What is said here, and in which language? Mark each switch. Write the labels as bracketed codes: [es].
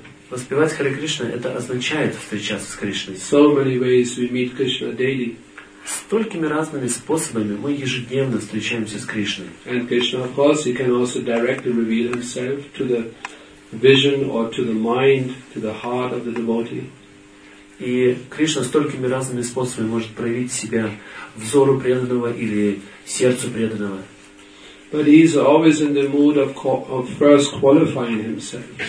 [ru] Воспевать Харе Кришну это означает встречаться с Кришной. [en] So many ways we meet Krishna daily. [ru] Столькими разными способами мы ежедневно встречаемся с Кришной. [en] And Krishna, of course, he can also directly reveal himself to the vision or to the mind, to the heart of the devotee. [ru] И Кришна столькими разными способами может проявить себя взору преданного или сердцу преданного. [en] But he is always in the mood of first qualifying himself.